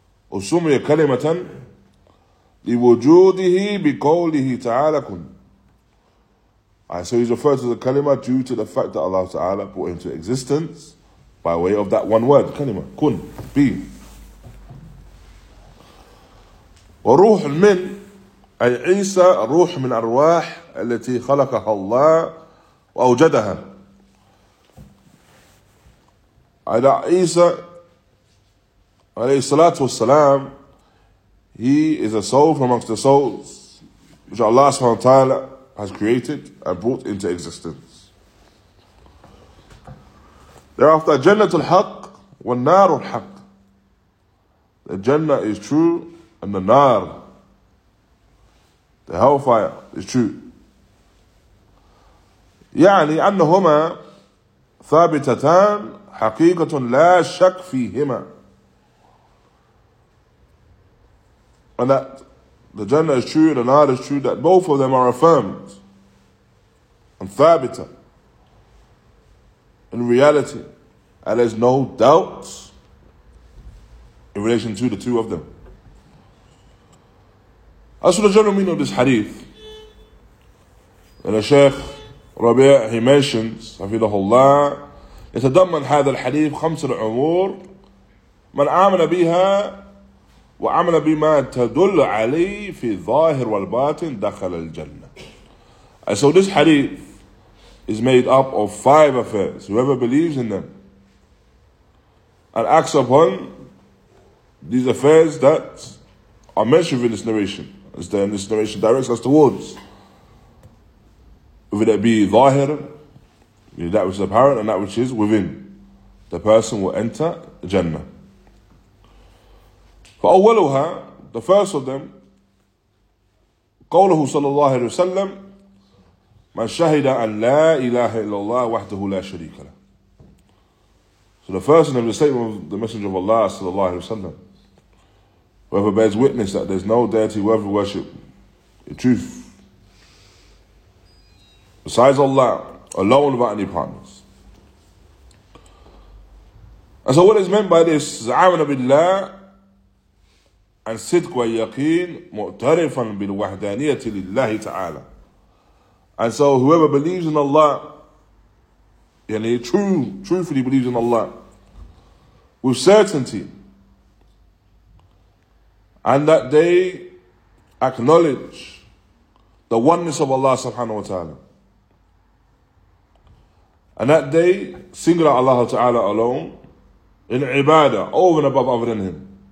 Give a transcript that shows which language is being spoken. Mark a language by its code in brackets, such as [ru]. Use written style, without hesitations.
[ar] وَسُمِيَ كَلِمَةً لِوَجُودِهِ بِقَوْلِهِ تَعَالَى كُنْ. [en] And so he's referred to the kalima due to the fact that Allah Ta'ala brought into existence by way of that one word, kalima, kun, be. [ar] وَرُوحُ مِنْ أي عيسى روح من أرواح التي خلقها الله وأوجدها. [en] And عيسى alayhi salatu wasalam, he is a soul from amongst the souls which Allah subhanahu wa ta'ala has created and brought into existence. Thereafter, Jannatul Haqq wa Narul Haqq. The Jannah is true and the Nar, the hellfire, is true. [ar] يعني أنهما ثابتتان حقيقة لا شك فيهما. [en] And that the Jannah is true, the Nar is true, that both of them are affirmed and thabita in reality. And there's no doubt in relation to the two of them. As for the general meaning of this hadith, and the Shaykh Rabi' he mentions, hafidhahullah, [ar] يتضمن هذا الحديث خمس الأمور من آمن بها وعمل بما تدل عليه في الظاهر والباطن دخل الجنة. [en] And so this hadith is made up of five affairs. Whoever believes in them and acts upon these affairs that are mentioned in this narration, as then this narration directs us towards, whether that be ظاهر, that which is apparent, and that which is within, the person will enter Jannah. [ar] فأولها, [en] the first of them, [ar] قوله صلى الله عليه وسلم, من شهد أن لا إله إلا الله وحده لا شريك له. [en] So the first of the statement of the Messenger of Allah صلى الله عليه وسلم, whoever bears witness that there's no deity worthy of worship, in truth, besides Allah, alone without any partners. And so what is meant by this? [ar] زعامنا بالله and صدق ويقين مؤترفا بالوحدانية لله تعالى. [en] And so whoever believes in Allah, and he truthfully believes in Allah, with certainty, and that they acknowledge the oneness of Allah subhanahu wa ta'ala, and that they single out Allah ta'ala alone in ibadah, over and above other than Him.